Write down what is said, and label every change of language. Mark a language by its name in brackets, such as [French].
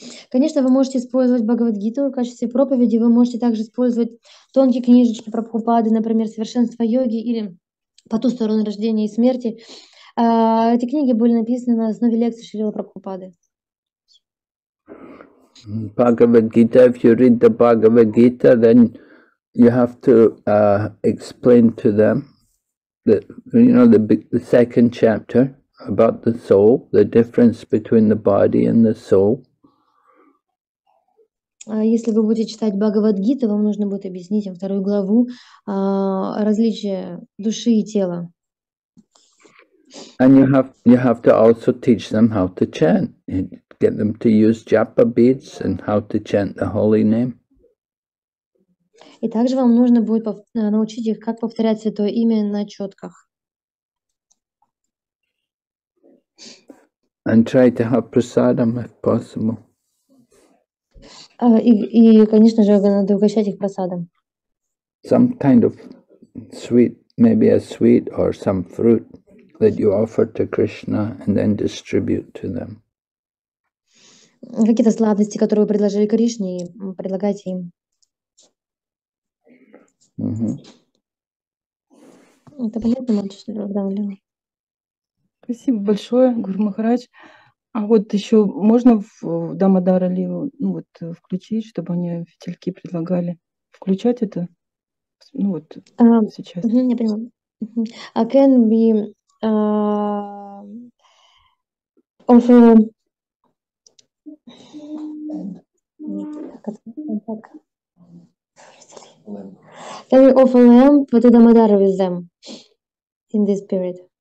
[Russian] Конечно, вы можете использовать Бхагавадгиту в качестве проповеди, вы можете также использовать тонкие книжечки Прабхупады, например, «Совершенство йоги» или «По ту сторону рождения и смерти». Эти книги были написаны на основе лекций Шрилы Прабхупады. [English] Бхагавадгита, if you read the Bhagavadgita, then you have to explain to them the, you know, the second chapter. About the soul, the difference between the body and the soul. [Russian] Если вы будете читать Бхагавадгиту, вам нужно будет объяснить им вторую главу, различие души и тела. [English] And you have to also teach them how to chant, and get them to use japa beads and how to chant the holy name. [Russian] И также вам нужно будет научить их, как повторять святое имя на четках. [English] And try to have prasadam if possible. [Russian] И, конечно же, надо угощать их прасадом. [English] Some kind of sweet, maybe a sweet or some fruit that you offer to Krishna and then distribute to them. [Russian] Какие-то сладости, которые вы предложили Кришне, и предлагайте им. Это понятно, мальчик. Спасибо большое, Гуру Махарадж. А вот еще можно в Дамодара Лилу, ну вот, включить, чтобы они фитильки предлагали включать это? Ну вот сейчас. Я поняла. [English] А can we offer lamp to Дамодара with them in this period?